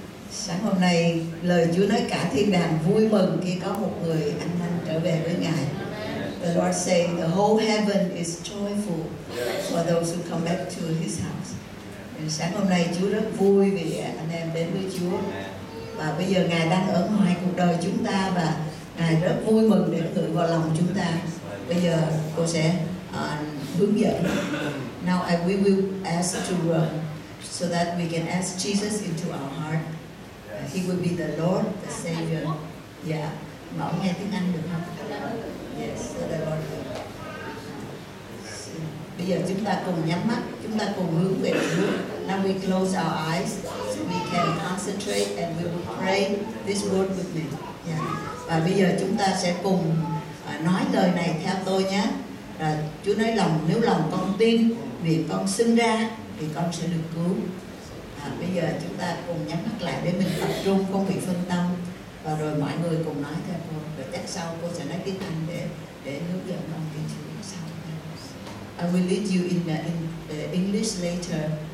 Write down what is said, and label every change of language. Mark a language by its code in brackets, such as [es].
[vi] Sáng hôm nay, lời Chúa nói cả thiên đàng vui mừng khi có một người anh em trở về với Ngài. [en] The Lord say, the whole heaven is joyful for those who come back to His house. [vi] Nên sáng hôm nay, Chúa rất vui vì anh em đến với Chúa. Và bây giờ Ngài đang ở ngoài cuộc đời chúng ta và Ngài rất vui mừng để tự vào lòng chúng ta. Bây giờ cô sẽ hướng dẫn. [en] Now we will ask to so that we can ask Jesus into our heart. He will be the Lord, the Savior. Yeah. [vi] Mà ông nghe tiếng Anh được không? [en] Yes, the Lord. [vi] Bây giờ chúng ta cùng nhắm mắt, chúng ta cùng hướng về Chúa. [en] Now we close our eyes so we can concentrate and we will pray this word with me. Yeah. [vi] Và bây giờ chúng ta sẽ cùng nói lời này theo tôi nhé. Chúa nói lòng, nếu lòng con tin, vì con sinh ra, thì con sẽ được cứu. Bây giờ chúng ta cùng nhắm mắt lại để mình tập trung, không bị phân tâm. Và rồi mọi người cùng nói theo cô. Rồi chắc sau cô sẽ nói tiếng Anh để hướng dẫn con đi chữ sau. [en] I will lead you in the English later.